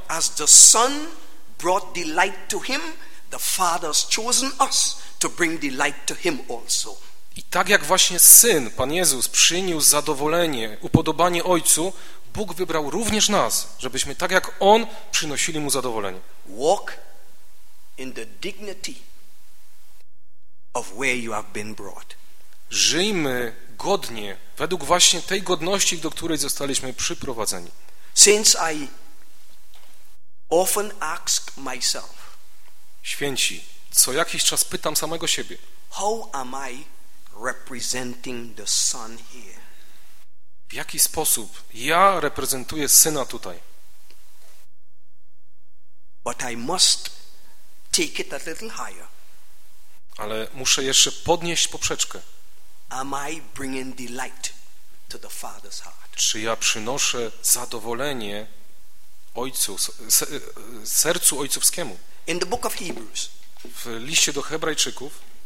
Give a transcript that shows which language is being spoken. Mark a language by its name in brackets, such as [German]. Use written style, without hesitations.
[English] As the son brought delight to him, the father's chosen us to bring delight to him also. [Polish] I tak jak właśnie syn, Pan Jezus, przyniósł zadowolenie, upodobanie ojcu, Bóg wybrał również nas, żebyśmy tak jak on przynosili mu zadowolenie. [English] Walk in the dignity of where you have been brought. [Polish] Żyjmy godnie, według właśnie tej godności, do której zostaliśmy przyprowadzeni. [English] Since I often ask myself, [Polish] święci, co jakiś czas pytam samego siebie, [English] how am I representing the Son here? [Polish] W jaki sposób ja reprezentuję Syna tutaj? [English] But I must take it a little higher. [Polish] Ale muszę jeszcze podnieść poprzeczkę. [English] Am I bringing delight to the Father's heart? [Polish] Czy ja przynoszę zadowolenie ojcu, sercu ojcowskiemu? [English] In the book of Hebrews, [Polish] w liście do Hebrajczyków,